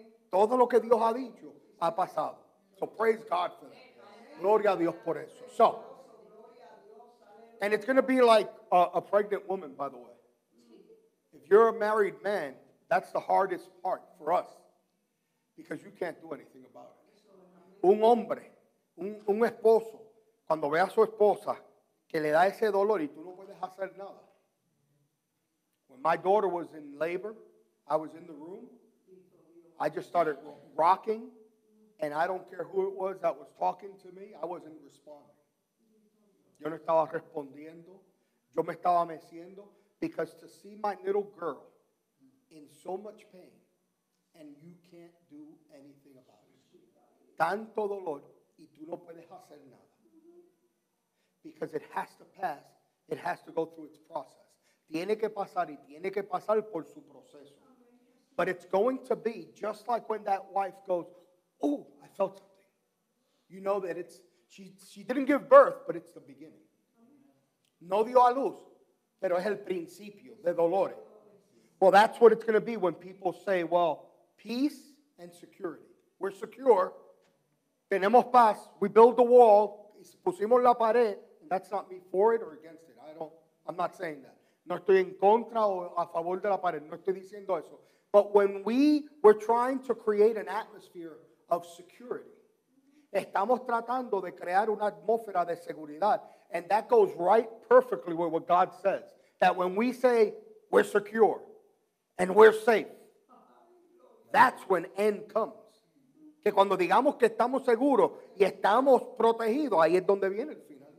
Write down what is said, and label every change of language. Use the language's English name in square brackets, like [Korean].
[Spanish] Todo lo que Dios ha dicho ha pasado. [English] So praise God for that. [Spanish] Gloria a Dios por eso. [English] So, and it's going to be like a pregnant woman, by the way. If you're a married man, that's the hardest part for us. Because you can't do anything about it. [Spanish] Un hombre, un esposo, cuando ve a su esposa, que le da ese dolor y tú no puedes hacer nada. [English] My daughter was in labor. I was in the room. I just started rocking. And I don't care who it was that was talking to me. I wasn't responding. [Spanish] Yo no estaba respondiendo. Yo me estaba meciendo. [English] Because to see my little girl in so much pain, and you can't do anything about it. [Spanish] Tanto dolor, y tú no puedes hacer nada. [English] Because it has to pass. It has to go through its process. [Spanish] Tiene que pasar y tiene que pasar por su proceso. [English] But it's going to be just like when that wife goes, oh, I felt something. You know that it's, she didn't give birth, but it's the beginning. [Spanish] No dio a luz, pero es el principio de dolores. [English] Well, that's what it's going to be when people say, well, peace and security. We're secure. [Spanish] Tenemos paz. [English] We build the wall. [Spanish] Pusimos la pared. [English] That's not me for it or against it. I'm not saying that. [Spanish] No estoy en contra o a favor de la pared. No estoy diciendo eso. [English] But when we were trying to create an atmosphere of security, [Spanish] estamos tratando de crear una atmósfera de seguridad. [English] And that goes right perfectly with what God says. That when we say we're secure and we're safe, that's when end comes. [Spanish] Que cuando digamos que estamos seguros y estamos protegidos, ahí es donde viene el fin.